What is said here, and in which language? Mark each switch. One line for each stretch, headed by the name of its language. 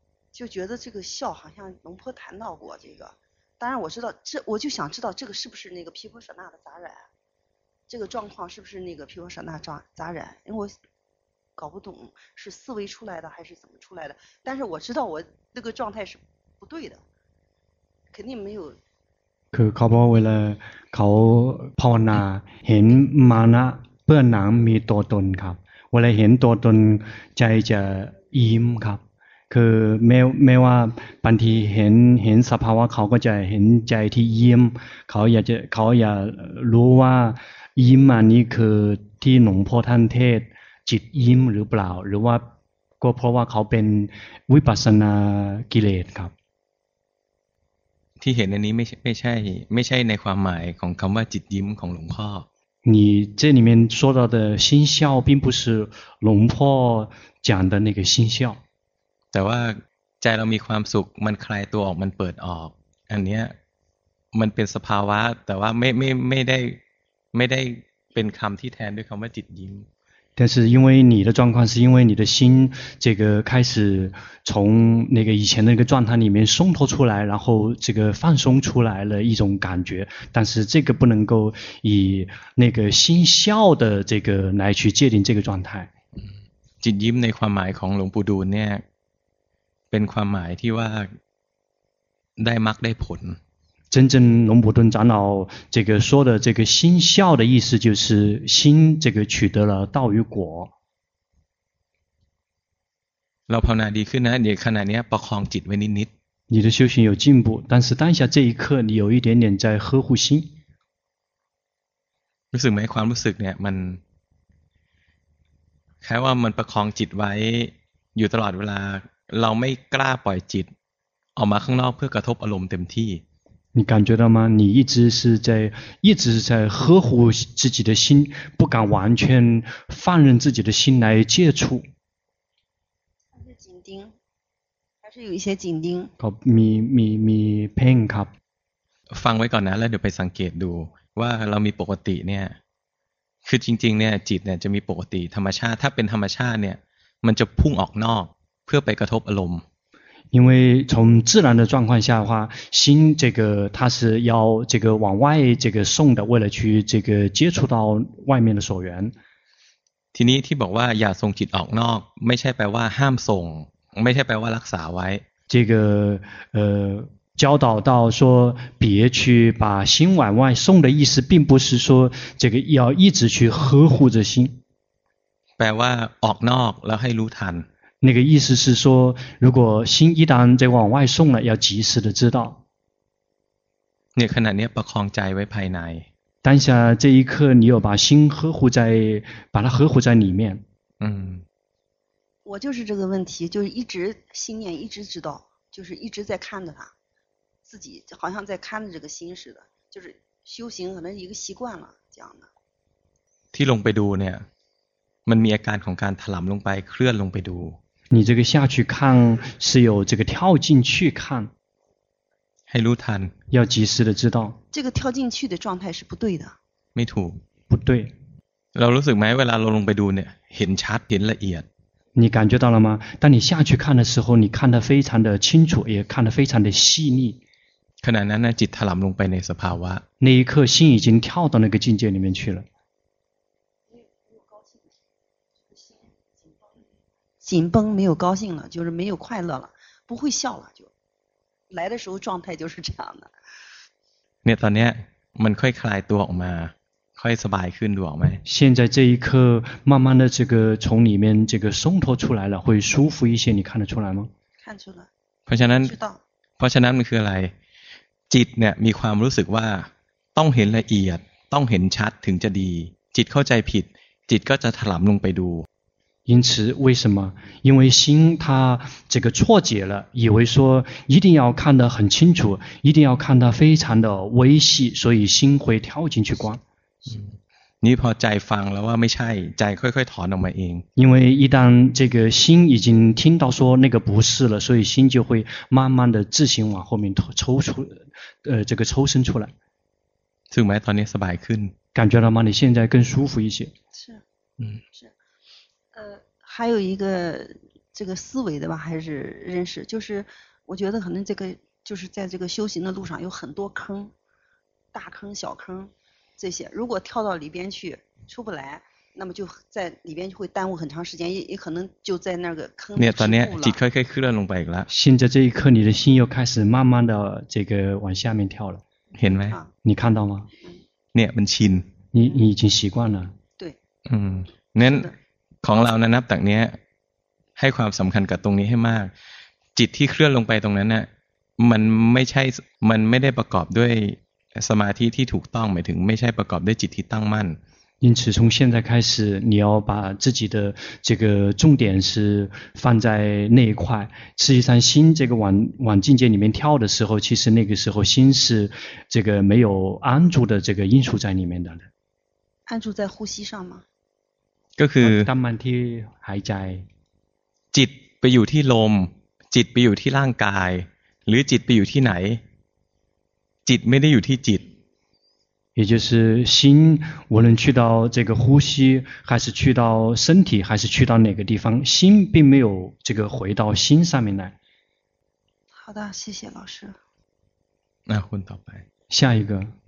Chinese: 就觉得这个笑好像龙坡谈到过这个当然我知道这我就想知道这个是不是那个毗婆舍那的杂染这个状况是不是那个毗婆舍那杂染因为我搞不懂是思维出来的还是怎么出来的但是我知道我那个状态是不对的肯定没有
Thai: คือเขาบอกเวลาเขาภาวนาเห็นมานะเปื้อนหนังมีตัวตนครับเวลาเห็นตัวตนใจจะยิ้มครับคือไม่ว่าบางทีเห็นสภาวะเขาก็จะเห็นใจที่ยิ้มเขาอยากรู้ว่ายิ้มอันนี้คือที่หลวงพ่อท่านเทศจิตยิ้มหรือเปล่าหรือว่าก็เพราะว่าเขาเป็นวิปัสสนากิเลสครับ ที่เห็นอันนี้ไม่ใช่ในความหมายของคำว่าจิตยิ้มของหลวงพ่อ
Chinese: 你这里面说到的心笑并不是龙破讲的那个心笑
Thai: แต่ว่าใจเรามีความสุขมันคลายตัวออกมันเปิดออกอันเนี้ยมันเป็นสภาวะแต่ว่าไม่ได้เป็นคำที่แทนด้วยคำว่าจิตยิ้ม
Chinese: 但是因为你的状况是因为你的心这个开始从那个以前的那个状态里面松脱出来然后这个放松出来了一种感觉但是这个不能够以那个心笑的这个来去界定这个状态
Thai: จิตยิ้มในความหมายของหลวงปู่ดูลย์เนี่ยเป็นความหมายที่ว่าได้มรรคได้ผล
Chinese: 真正龙婆顿长老这个说的这个心笑的意思就是心这个取得了道与果你的修行有进步但是当下这一刻你有一点点在呵护心
Thai: รู้สึกไหมความรู้สึกเนี่ยมันแค่ว่ามันประคองจิตไว้อยู่ตลอดเวลาเราไม่กล้าปล่อยจิตออกมาข้างนอกเพื่อกระทบอารมณ์เต็มที่
Chinese: 你感觉到吗？你一直是在呵护自己的心，不敢完全放任自己的心来接触。还是紧盯，还是有一些紧盯。
Thai: ก็มี pain ครับ。 ฟังไว้ก่อนนะแล้วเดี๋ยวไปสังเกตดูว่าเรามีปกติเนี่ยคือจริงๆเนี่ยจิตเนี่ยจะมีปกติธรรมชาติถ้าเป็นธรรมชาติเนี่ยมันจะพุ่งออกนอกเพื่อไปกระทบอารมณ์
Chinese: 因为从自然的状况下的话心这个它是要这个往外这个送的为了去这个接触到外面的所缘
Thai: ทีนี้ที่บอกว่าอย่าส่งจิตออกนอกไม่ใช่แปลว่าห้ามส่งไม่ใช่แปลว่ารักษาไว้
Chinese: 这个教导到说别去把心往外送的意思并不是说这个要一直去呵护着心
Thai: แปลว่าออกนอกแล้วให้รู้ทัน
Chinese: 那个意思是说如果心一旦在往外送了要及时的知道你看看你把控在外派来当下这一刻你有把心呵护在把它呵护在里面嗯我就是这个问题就是一直心念一直知道就是一直在看着他，自己好像在看着这个心似的，就是修行可能一个习惯了这样的。
Thai: ที่ลงไปดูเนี่ยมันมีอาการของการถลำลงไปเคลื่อนลงไปดู
Chinese: 你这个下去看是有这个跳进去看，
Thai: ให้รู้ทัน
Chinese: 要及时的知道这个跳进去的状态是不对的，
Thai: ไม่ถูก
Chinese: 不对。
Thai: เรารู้สึกไหมเวลาเราลงไปดูเนี่ยเห็นชัดเห็นละเอียด
Chinese: 你感觉到了吗？当你下去看的时候，你看得非常的清楚，也看得非常的细腻。
Thai: ขณะนั้นนะจิตถลำลงไปในสภาวะ
Chinese: 那一刻心已经跳到那个境界里面去了。紧绷没有高兴了，就是没有快乐了，不会笑了，就来的时候状态就是这样的。
Thai: เนี่ยตอนนี้มันค่อยคลายตัวออกมาค่อยสบายขึ้นดูออกไหม
Chinese: 现在这一刻慢慢的这个从里面这个松脱出来了，会舒服一些，你看得出来吗？看出来。
Thai: เพราะฉะนั้นเพราะฉะนั้นมันคืออะไรจิตเนี่ยมีความรู้สึกว่าต้องเห็นละเอียดต้องเห็นชัดถึงจะดีจิตเข้าใจผิดจิตก็จะถลำลงไปดู
Chinese: 因此为什么因为心它这个错解了以为说一定要看得很清楚一定要看得非常的微细所以心会跳进去观你
Thai: พอใจฟังแล้วว่าไม่ใช่ใจค่อยๆถอนออกมาเอง
Chinese: 因为一旦这个心已经听到说那个不是了所以心就会慢慢的自行往后面抽出这个抽身出来
Thai: ถูกไหมตอนนี้สบายขึ้น
Chinese: 感觉了吗你现在更舒服一些是还有一个这个思维的吧还是认识就是我觉得可能这个就是在这个修行的路上有很多坑大坑小坑这些如果跳到里边去出不来那么就在里边就会耽误很长时间 也可能就在那个坑里吃住了现在这一刻你的心又开始慢慢的这个往下面跳了、啊、你看到吗、你已经习惯了对嗯那
Thai: ของเรานะนับตั้งเนี้ยให้ความสำคัญกับตรงนี้ให้มากจิตที่เคลื่อนลงไปตรงนั้นน่ะมันไม่ใช่มันไม่ได้ประกอบด้วยสมาธิที่ถูกต้องหมายถึงไม่ใช่ประกอบด้วยจิตที่ตั้งมั่น
Chinese: 因此从现在开始你要把自己的这个重点是放在那一块实际上心这个往境界里面跳的时候其实那个时候心是这个没有安住的这个因素在里面的安住在呼吸上吗
Thai: ก็คือ ตั้งมันที่หายใจ จิตไปอยู่ที่ลมจิตไปอยู่ที่ร่างกายหรือจิตไปอยู่ที่ไหนจิตไม่ได้อยู่ที่จิต
Chinese: 也就是心无论去到这个呼吸还是去到身体还是去到哪个地方心并没有这个回到心上面来好的谢谢老师那混到白下一个